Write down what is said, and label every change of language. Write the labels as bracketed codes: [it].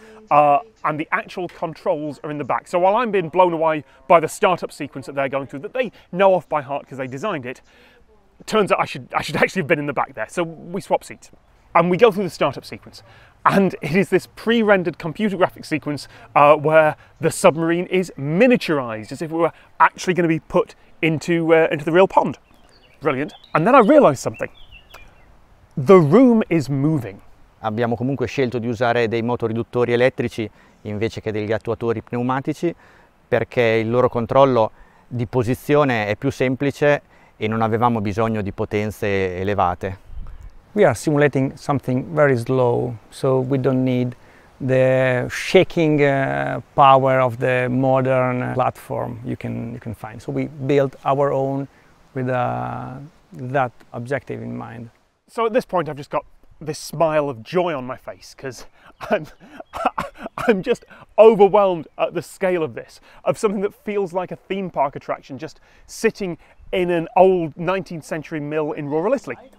[en] And the actual controls are in the back. So while I'm being blown away by the startup sequence that they're going through, that they know off by heart because they designed it, turns out I should actually have been in the back there. So we swap seats. And we go through the startup sequence. And it is this pre-rendered computer graphic sequence where the submarine is miniaturized as if it were actually going to be put into the real pond. Brilliant. And then I realized something. The room is moving. [it] Abbiamo comunque scelto di usare dei motoriduttori elettrici invece che degli attuatori pneumatici, perché il loro controllo di posizione è più semplice e non avevamo bisogno di potenze elevate. [en] We are simulating something very slow, so we don't need the shaking power of the modern platform you can find. So we built our own with that objective in mind. So at this point, I've just got this smile of joy on my face because I'm just overwhelmed at the scale of this, of something that feels like a theme park attraction just sitting in an old 19th century mill in rural Italy.